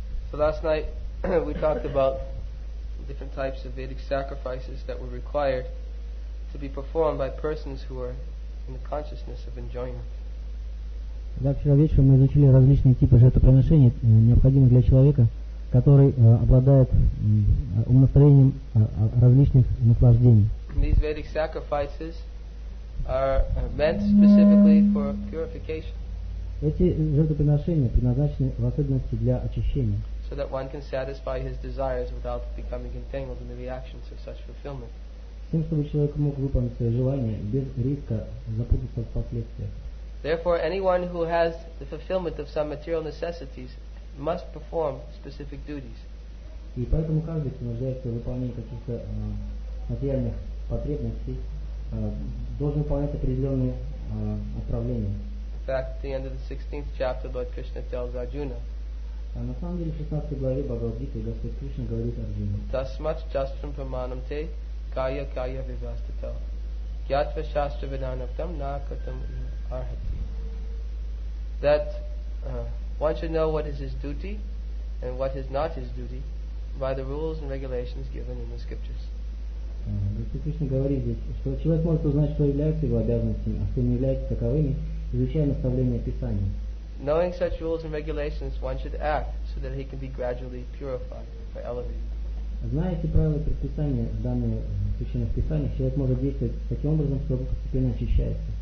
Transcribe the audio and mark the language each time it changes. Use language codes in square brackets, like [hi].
[en] So last night we talked about different types of Vedic sacrifices that were required to be performed by persons who are in the consciousness of enjoyment. [ru] Да, вчера вечером мы изучили различные типы жертвоприношений, необходимых для человека, который обладает умонастроением различных наслаждений. [en] These Vedic sacrifices are meant specifically for purification. [ru] Эти жертвоприношения предназначены в особенности для очищения. [en] So that one can satisfy his desires without becoming entangled in the reactions of such fulfillment. [ru] Тем, чтобы человек мог выполнить свои желания без риска запутаться в последствиях. [en] Therefore, anyone who has the fulfillment of some material necessities must perform specific duties. [ru] И поэтому каждый, кто нуждается в выполнении каких-то материальных потребностей, должен выполнять определенные управления. [en] In fact, at the end of the 16th chapter, Lord Krishna tells Arjuna. [ru] А на самом деле в 16 главе Бхагавад Гиты Господь Кришна говорит Арджуне. [sa] Thus much jastram pramanam te kaya kaya vivastita gyatva shastra vidanaktam nakatam arhati. [en] That one should know what is his duty and what is not his duty by the rules and regulations given in the scriptures. [ru] Господь Кришна говорит здесь, что человек может узнать, что является его обязанностями, а что не является таковыми, изучая наставления Писания. [en] Knowing such rules and regulations, one should act so that he can be gradually purified or elevated. [ru] Зная эти правила и предписания, данные в Священных Писаниях, человек может действовать таким образом, чтобы постепенно очищаться.